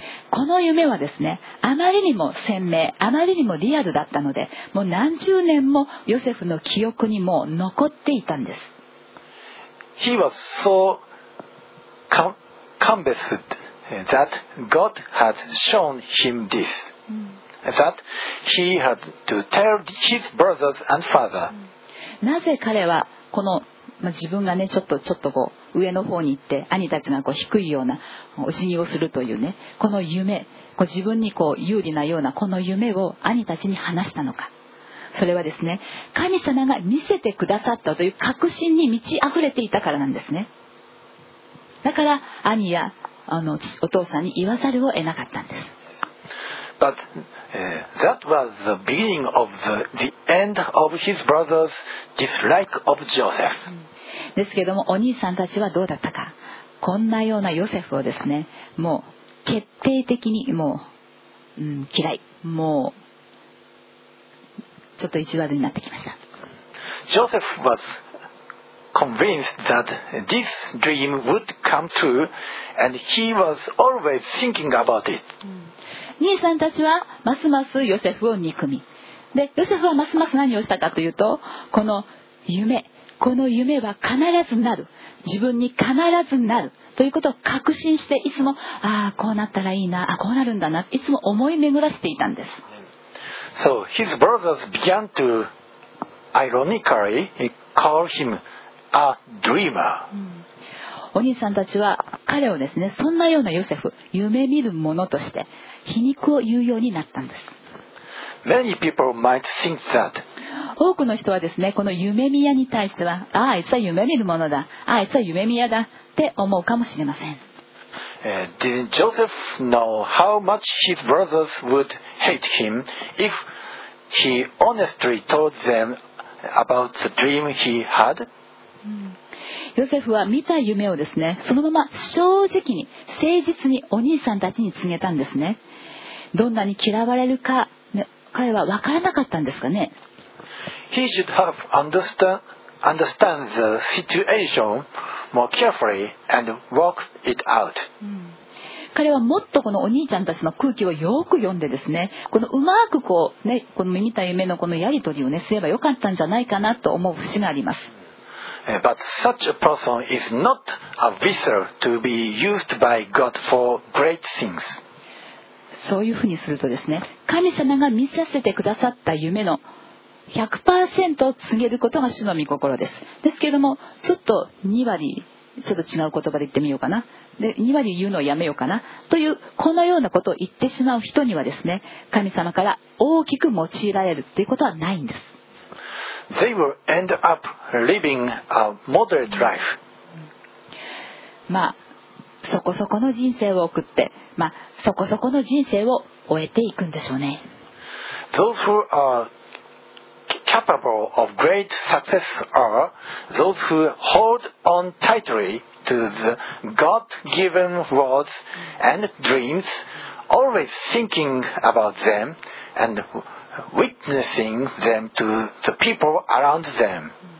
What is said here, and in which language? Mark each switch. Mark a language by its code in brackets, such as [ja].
[ja] この夢はですね、あまりにも鮮明、あまりにもリアルだったので、もう何十年もヨセフの記憶にも残っていたんです。 [en] He was so convinced that God had shown him this. That he had to tell his brothers and father. [ja] なぜ彼はこの、まあ、自分がね、ちょっとこう上の方に行って、兄たちがこう低いようなお辞儀をするというね、この夢、こう自分にこう有利なようなこの夢を兄たちに話したのか。それはですね、神様が見せてくださったという確信に満ち溢れていたからなんですね。だから兄やお父さんに言わざるを得なかったんです。 [en] But that was the beginning of the end of his brother's dislike of Joseph. [ja] ですけども、お兄さんたちはどうだったか。こんなようなヨセフをですね、もう決定的にもう、嫌い、もうちょっと意地悪になってきました。 [en] Joseph was convinced that this dream would come true, and he was always thinking about it. [ja] 兄さんたちはますますヨセフを憎み、でヨセフはますます何をしたかというと、この夢は必ずなる、自分に必ずなるということを確信して、いつもああこうなったらいいな、あこうなるんだな、いつも思い巡らせていたんです。 [en] So his brothers began to ironically call him a dreamer. [ja] お兄さんたちは彼をですね、そんなようなヨセフ、夢見る者として皮肉を言うようになったんです。 [en] Many people might think that. [ja] 多くの人はですね、この夢見屋に対しては、ああいつは夢見るものだ、ああいつは夢見屋だって思うかもしれません。 [en] Didn't Joseph know how much his brothers would hate him if he honestly told them about the dream he had. [ja] ヨセフは見た夢をですね、そのまま正直に誠実にお兄さんたちに告げたんですね。どんなに嫌われるか、ね、彼は分からなかったんですかね。 [en] He should have understand the situation more carefully and work it out. [ja] 彼はもっとこのお兄ちゃんたちの空気をよく読んでですね、このうまくこうね、この見た夢のこのやり取りをね、すればよかったんじゃないかなと思う節があります。 [en] But such a person is not a vessel to be used by God for great things. [ja] そういうふうにするとですね、神様が見させてくださった夢の 100% を告げることが主の御心です。ですけれども、ちょっと2割、ちょっと違う言葉で言ってみようかな。で、2割言うのをやめようかな。という、このようなことを言ってしまう人にはですね、神様から大きく用いられるということはないんです。 [en] They will end up living a moderate life. [ja] まあ、そこそこの人生を送って、まあ、そこそこの人生を終えていくんでしょうね。 [en] Those who are capable of great success are those who hold on tightly to the God-given words and dreams, always thinking about them and witnessing them to the people around them.